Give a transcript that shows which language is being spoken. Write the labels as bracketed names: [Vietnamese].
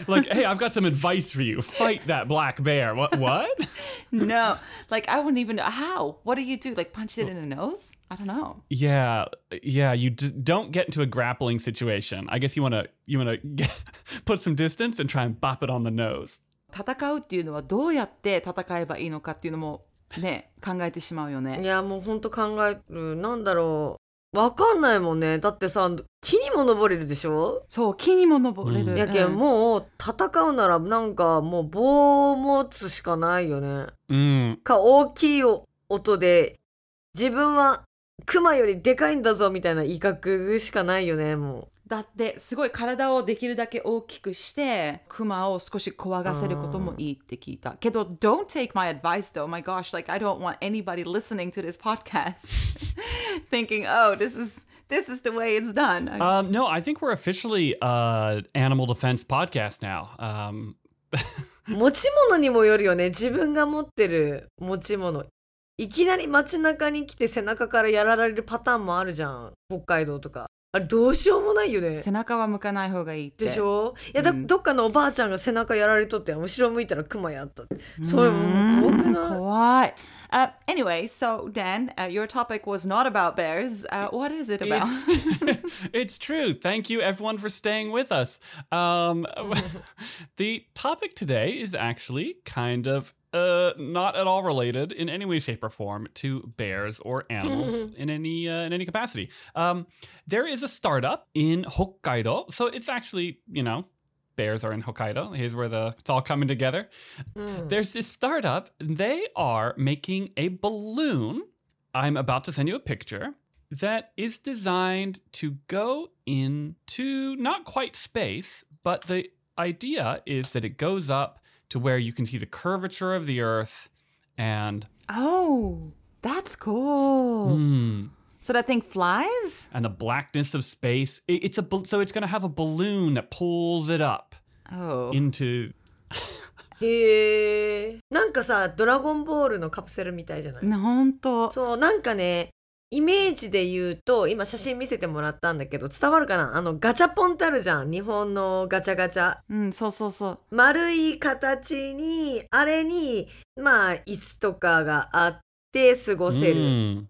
[English] Like, hey, I've got some advice for you. Fight that black bear. What? No. Like, I wouldn't even know. How? What do you do? Like, punch it in the nose? I don't know. Yeah. Yeah. You don't get into a grappling situation. I guess you want to put some distance and try and bop it on the nose. [Japanese] 戦うっていうのはどうやって戦えばいいのかっていうのもね、考えてしまうよね。いや、もう本当考える。なんだろう。わかんないもんね。だってさ、木にも登れるでしょ？そう、木にも登れる。やけん、もう戦うならなんかもう棒を持つしかないよね。か、大きい音で自分はクマよりでかいんだぞみたいな威嚇しかないよね、もう。だってすごい体をできるだけ大きくしてクマを少し怖がせることもいいって聞いた。けど、 [English] don't take my advice though. My gosh, like I don't want anybody listening to this podcast thinking, oh, this is the way it's done. No, I think we're officially animal defense podcast now. [Japanese] 持ち物にもよるよね。自分が持ってる持ち物。いきなり街中に来て背中からやられるパターンもあるじゃん。北海道とか。あれどうしようもないよね。背中は向かない方がいいって。でしょ？いや、どっかのおばあちゃんが背中やられとって、後ろ向いたらクマやったって。それも怖くない？怖い。 [English] Anyway, so Dan, your topic was not about bears. What is it about? It's true. Thank you everyone for staying with us. The topic today is actually kind of not at all related in any way, shape, or form to bears or animals in any capacity. There is a startup in Hokkaido, so it's actually, you know, bears are in Hokkaido. Here's where the, it's all coming together. There's this startup. They are making a balloon. I'm about to send you a picture that is designed to go into not quite space, but the idea is that it goes up to where you can see the curvature of the Earth and... Oh, that's cool. So that thing flies? And the blackness of space. So it's going to have a balloon that pulls it up. Oh. Into... [Japanese] へえ、なんかさ、ドラゴンボールのカプセルみたいじゃない？ほんと。そう、なんかね、イメージで言うと、今写真見せてもらったんだけど、伝わるかな？あのガチャポンってあるじゃん、日本のガチャガチャ。うん、そうそうそう。丸い形に、あれに、まあ、椅子とかがあって、で過ごせる、うん、